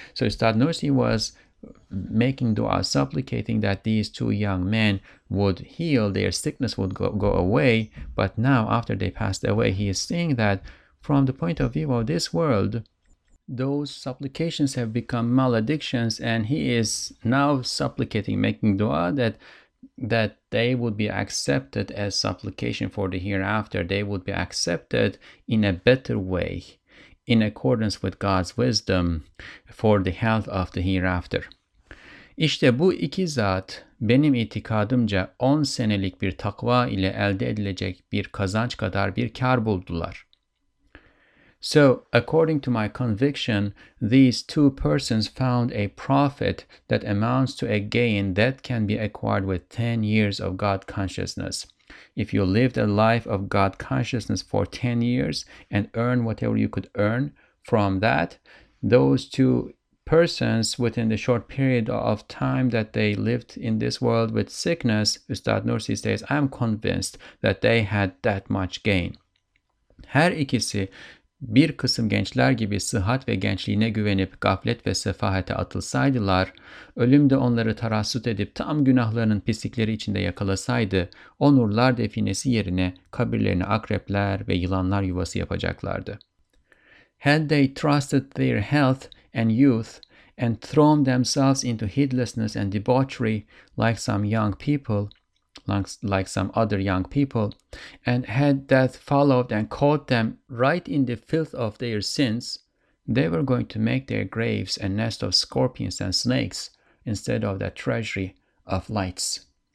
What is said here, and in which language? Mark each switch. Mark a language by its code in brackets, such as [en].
[en] So Ustad Nursi was making dua, supplicating that these two young men would heal, their sickness would go away, but now after they passed away, he is seeing that from the point of view of this world, those supplications have become maledictions, and he is now supplicating, making dua that they would be accepted as supplication for the hereafter. They would be accepted in a better way, in accordance with God's wisdom, for the health of the hereafter. [tr] İşte bu iki zat benim itikadımca 10 senelik bir takva ile elde edilecek bir kazanç kadar bir kar buldular. [en] So, according to my conviction, these two persons found a profit that amounts to a gain that can be acquired with 10 years of God consciousness. If you lived a life of God consciousness for 10 years and earned whatever you could earn from that, those two persons, within the short period of time that they lived in this world with sickness, Ustad Nursi says, I'm convinced that they had that much gain. [tr] Her ikisi bir kısım gençler gibi sıhhat ve gençliğine güvenip gaflet ve sefahete atılsaydılar, ölüm de onları tarassut edip tam günahlarının pislikleri içinde yakalasaydı, o nurlar definesi yerine kabirlerini akrepler ve yılanlar yuvası yapacaklardı. [en] Had they trusted their health and youth and thrown themselves into heedlessness and debauchery like some young people, like some other young people, and had death followed and caught them right in the filth of their sins, they were going to make their graves a nest of scorpions and snakes instead of that treasury of lights.